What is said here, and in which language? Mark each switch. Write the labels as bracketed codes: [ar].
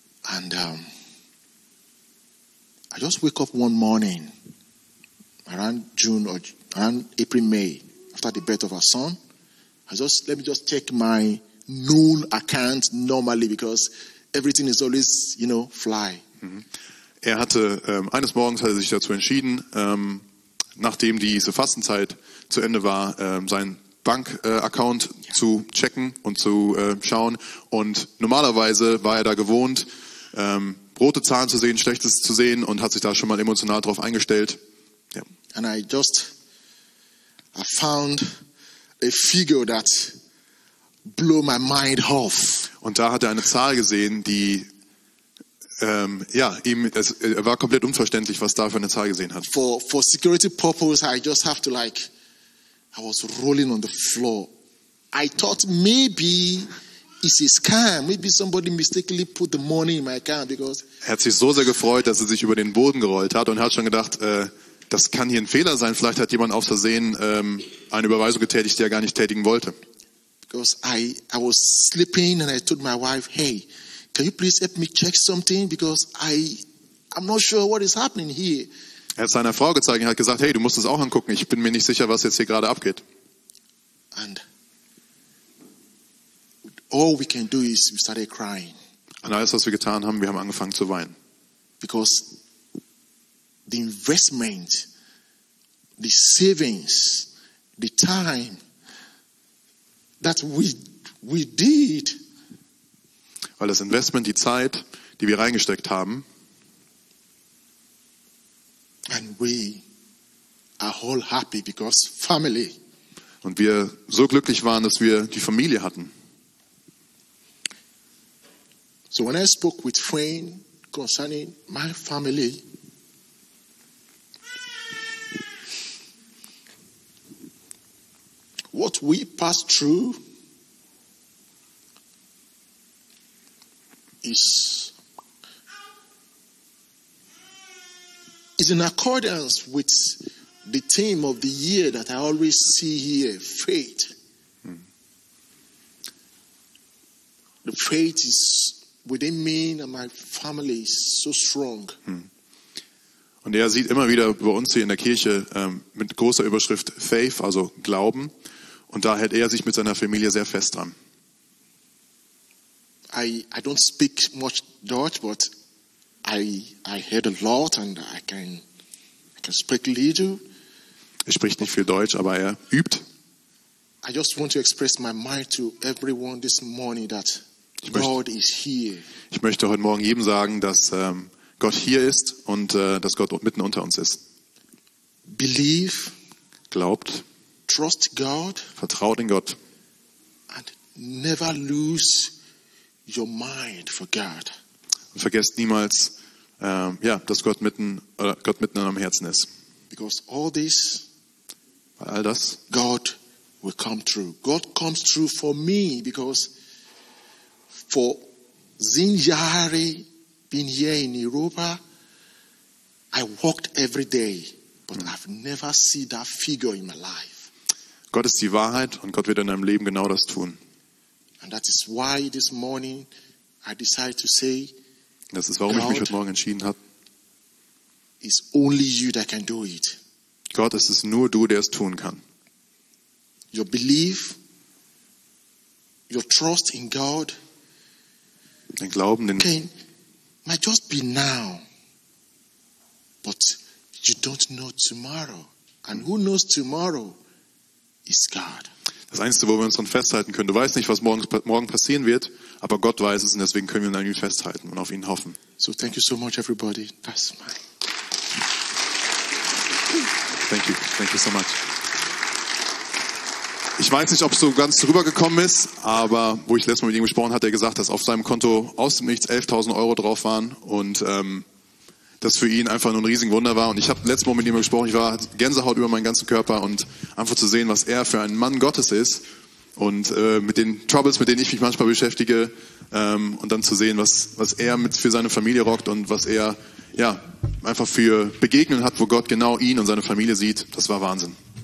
[en] And I just wake up one morning around June or around April, May, after the birth of our son. Let me just check my noon account normally because everything is always, you know, fly. [de] Er hatte, eines Morgens hatte er sich dazu entschieden, nachdem diese Fastenzeit zu Ende war, seinen Bank-Account zu checken und zu schauen. Und normalerweise war er da gewohnt, rote Zahlen zu sehen, Schlechtes zu sehen, und hat sich da schon mal emotional drauf eingestellt. Ja. [en] And I found a figure that blew my mind off. [de] Und da hat er eine Zahl gesehen, die er war komplett unverständlich, was da für eine Zahl gesehen hat. [en] For security purpose, I just have to like, I was rolling on the floor. I thought maybe it's a scam, maybe somebody mistakenly put the money in my account because. [de] Er hat sich so sehr gefreut, dass er sich über den Boden gerollt hat und hat schon gedacht, das kann hier ein Fehler sein. Vielleicht hat jemand aus Versehen eine Überweisung getätigt, die er gar nicht tätigen wollte. [en] Because I was sleeping and I told my wife, hey, can you please help me check something? Because I'm not sure what is happening here. [de] Er hat seiner Frau gezeigt und hat gesagt, hey, du musst es auch angucken. Ich bin mir nicht sicher, was jetzt hier gerade abgeht. [en] And all we can do is we started crying. [de] Und alles, was wir getan haben, wir haben angefangen zu weinen. [en] Because the investment, the savings, the time that we did, [de] weil das Investment, die Zeit, die wir reingesteckt haben, [en] and we are all happy because family, [de] und wir so glücklich waren, dass wir die Familie hatten. [en] So when I spoke with Wayne concerning my family, what we passed through is in accordance with the theme of the year that I always see here, faith. The faith is within me and my family is so strong. [de] Und er sieht immer wieder bei uns hier in der Kirche mit großer Überschrift Faith, also Glauben, und da hält er sich mit seiner Familie sehr fest dran. [en] I don't speak much Dutch, but I heard a lot and I can speak a little. [de] Er spricht nicht viel Deutsch, aber er übt. [en] I just want to express my mind to everyone this morning that [de] Ich möchte heute Morgen jedem sagen, dass Gott hier ist und dass Gott mitten unter uns ist. [en] Believe, [de] glaubt, [en] trust God, [de] vertraut in Gott, [en] and never lose your mind for God. [de] Und vergesst niemals, dass Gott mitten in eurem Herzen ist. [en] Because all this, [de] weil all das, [en] God will come through. God comes through for me because for [de] zehn Jahre [en] being here in Europa, I walked every day. But I've never seen that figure in my life. [de] Gott ist die Wahrheit und Gott wird in deinem Leben genau das tun. [en] And that is why this morning I decided to say, [de] das ist, warum ich mich heute Morgen entschieden habe. [en] It's only you that can do it. [de] Gott, es ist nur du, der es tun kann. [en] Your belief, your trust in God, [de] dein Glauben, den [en] can, might just be now, but you don't know tomorrow. And who knows tomorrow is God. [de] Das Einzige, wo wir uns dann festhalten können, du weißt nicht, was morgen passieren wird, aber Gott weiß es und deswegen können wir an ihn festhalten und auf ihn hoffen. [en] So, thank you so much, everybody. That's mine. Thank you so much. [de] Ich weiß nicht, ob es so ganz rübergekommen ist, aber wo ich letztes Mal mit ihm gesprochen habe, hat er gesagt, dass auf seinem Konto aus dem Nichts 11.000 Euro drauf waren und das für ihn einfach nur ein riesiges Wunder war. Und ich habe letztes Mal mit ihm gesprochen, ich war Gänsehaut über meinen ganzen Körper und einfach zu sehen, was er für ein Mann Gottes ist und mit den Troubles, mit denen ich mich manchmal beschäftige und dann zu sehen, was er mit für seine Familie rockt und was er ja einfach für Begegnungen hat, wo Gott genau ihn und seine Familie sieht, das war Wahnsinn.